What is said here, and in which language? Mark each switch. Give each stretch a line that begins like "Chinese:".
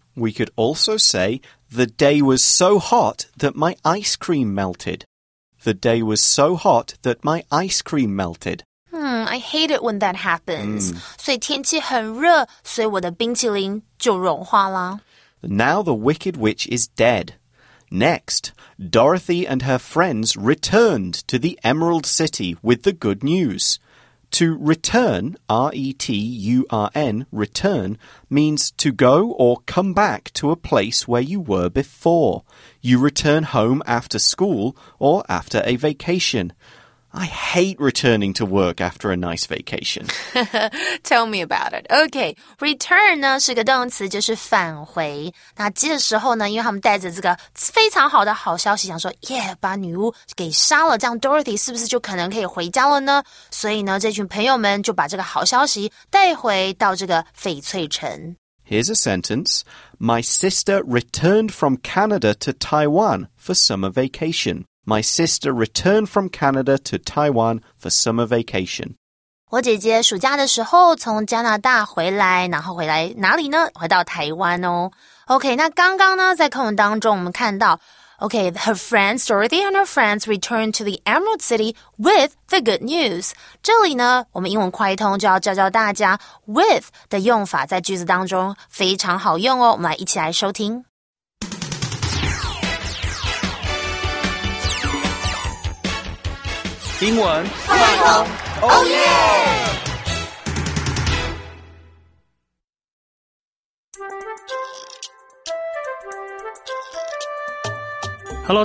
English: We could also say, The day was so hot that my ice cream melted. The day was so hot that my ice cream melted. I hate it when that happens.
Chinese: 所以天气很热，所以我的冰淇淋就融化了。
English: Now the Wicked Witch is dead. Next, Dorothy and her friends returned to the Emerald City with the good news. To return, R-E-T-U-R-N, return, means to go or come back to a place where you were before. You return home after school or after a vacation. I hate returning to work after a nice vacation. Tell me about it. Okay,
Chinese: return 呢是个动词，就是返回。那这时候呢，因为他们带着这个非常好的好消息，想说 ，Yeah， 把女巫给杀了，这样 Dorothy 是不是就可能可以回家了呢？所以呢，这群朋友们就把这个好消息带回到这个翡翠城。
English: Here's a sentence. My sister returned from Canada to Taiwan for summer vacation. My sister returned from Canada to Taiwan for summer vacation.
Chinese: 我姐姐暑假的时候从加拿大回来，然后回来哪里呢？回到台湾哦。
English: OK,
Chinese: 那刚刚呢，在课文当中我们看到
English: OK, her friends, Dorothy and her friends returned to the Emerald City with the good news.
Chinese: 这里呢，我们英文快通就要教教大家 with 的用法在句子当中非常好用哦。我们来一起来收听。英文
English: 快通 ，Oh yeah！Hello，